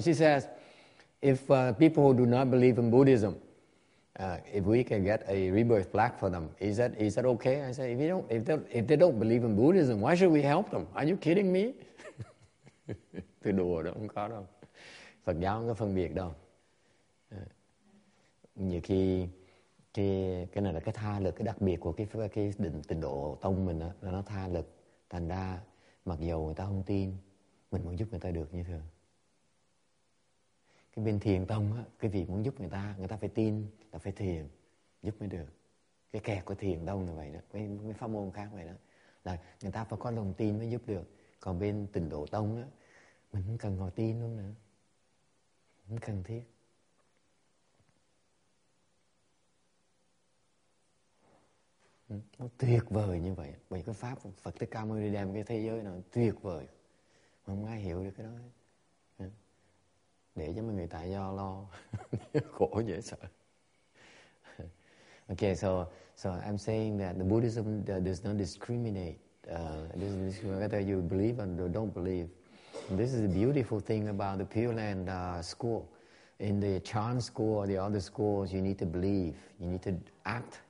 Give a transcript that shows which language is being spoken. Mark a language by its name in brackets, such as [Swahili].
[English] She says, if people who do not believe in Buddhism, if we can get a rebirth plaque for them, is that okay? I say, if they don't believe in Buddhism, why should we help them? Are you kidding me? [Vietnamese] Tôi đùa đó, không có đâu. Phật giáo không có phân biệt đâu. Nhiều khi cái này là cái tha lực, cái đặc biệt của cái định tịnh độ tông mình đó, là nó tha lực. Thành ra mặc dầu người ta không tin, mình muốn giúp người ta được như thường. Cái bên thiền tông á, cái việc muốn giúp người ta phải tin là phải thiền giúp mới được. Cái kẹt của thiền tông là vậy đó, mấy pháp môn khác vậy đó, là người ta phải có lòng tin mới giúp được. Còn bên tịnh độ tông á, mình không cần ngồi tin luôn nữa, không cần thiết. Nó tuyệt vời như vậy, bởi cái pháp Phật Thích Ca Mâu Ni đem cái thế giới nó tuyệt vời, mà không ai hiểu được cái đó. Để cho mọi người tại do lo khổ dễ sợ. [English] Okay, so I'm saying that the Buddhism does not discriminate. This is whether you believe or don't believe. And this is a beautiful thing about the Pure Land school. In the Chan school or the other schools, you need to believe. You need to act.